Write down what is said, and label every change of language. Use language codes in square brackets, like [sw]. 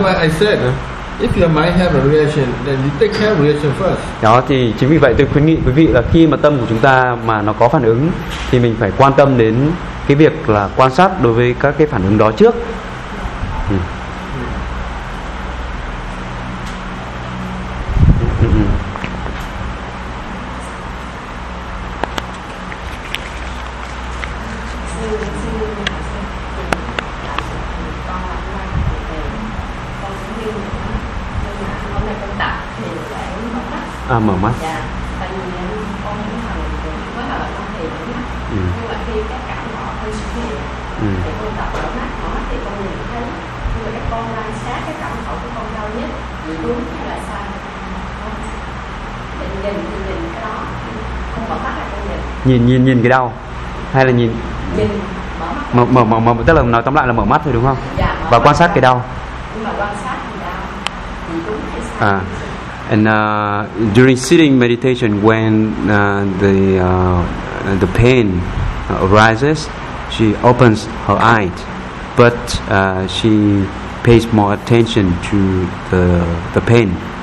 [en] That's why I said, if your mind have a reaction, then you take care of reaction first. [vi] Đó thì chính vì vậy tôi khuyến nghị quý vị là khi mà tâm của chúng ta mà nó có phản ứng thì mình phải quan tâm đến cái việc là quan sát đối với các cái phản ứng đó trước. Mở mắt. Dạ, tại vì con muốn hành động với hành động thì nhưng mà khi các cảm họ hơi xuất hiện thì con tập mở mắt thì con nhìn thấy, nhưng mà các con quan sát cái cảm thọ của con đau nhất đúng hay là sai, nhìn cái đó, không mở mắt là con nhìn cái đau hay là nhìn mở tức là nói tóm lại là mở mắt thôi đúng không? Dạ, và quan sát cái đau. Nhưng mà quan sát thì đau thì đúng hay sai? [en] And during sitting meditation, when the pain arises, she opens her eyes, but she pays more attention to the pain.